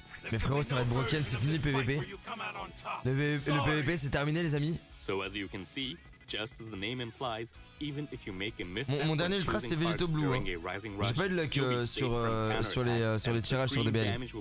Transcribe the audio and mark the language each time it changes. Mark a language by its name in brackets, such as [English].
[French] Mais frérot, ça va être broken, c'est fini PVP. Le PVP c'est terminé les amis. [English] So as you can see, just as the name implies, even if you make a mistake. [French] Mon dernier ultra c'est Végéto Blue. Hein. J'ai pas eu de luck sur les tirages sur DBL.